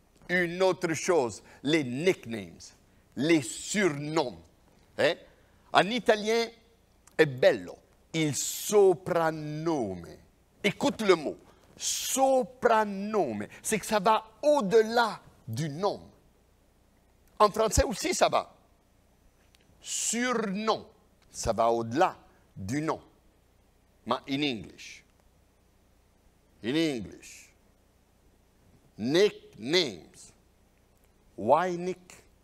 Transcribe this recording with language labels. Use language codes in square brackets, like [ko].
[fr] Une autre chose, les nicknames, les surnoms. Hein? En italien, [it] è bello, il soprannome. [fr] Écoute le mot, soprannome. C'est que ça va au-delà du nom. En français aussi, ça va. Surnom, ça va au-delà du nom. Mais [en] in English. In English, nicknames. Why Nick?